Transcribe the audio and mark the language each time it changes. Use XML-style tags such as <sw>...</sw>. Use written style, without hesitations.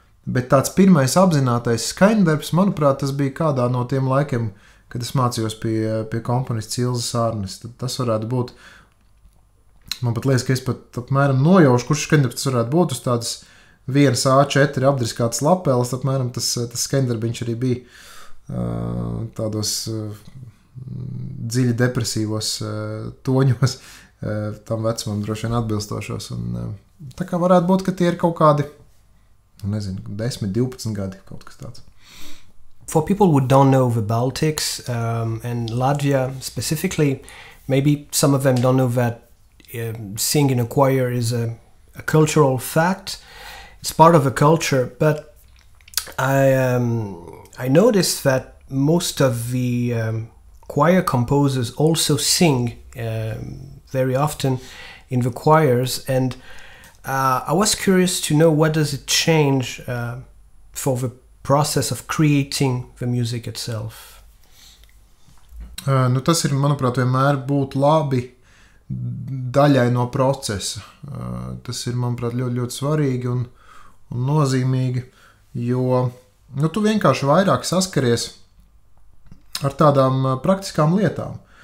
<lv>Bet tāds pirmais apzinātais skaņdarbs, manuprāt, tas bija kādā no tiem laikiem, kad es mācījos pie komponistes Ilzes Arnes, tad tas varētu būt, man pat liekas, ka es pat apmēram nojaušu, kurš skaņdarbs varētu būt uz tādas vienas A4 apdriskātas lapeles, apmēram tas skaņdarbiņš arī bija tādos dziļi depresīvos toņos, tam vecumam droši vien atbilstošos. Un, tā kā varētu būt, ka tie ir kaut kādi, nezinu, 10-12 gadi kaut kas tāds.</lv> <en>For people who don't know the Baltics and Latvia specifically, maybe some of them don't know that singing in a choir is a cultural fact. It's part of a culture, but I noticed that most of the choir composers also sing very often in the choirs, and I was curious to know what does it change for the process of creating the music itself.</en> <lv>Nu, tas ir, manuprāt, vienmēr būt labi daļai no procesa. Tas ir, manuprāt, ļoti, ļoti svarīgi un nozīmīgi, jo nu, tu vienkārši vairāk saskaries ar tādām praktiskām lietām.</lv>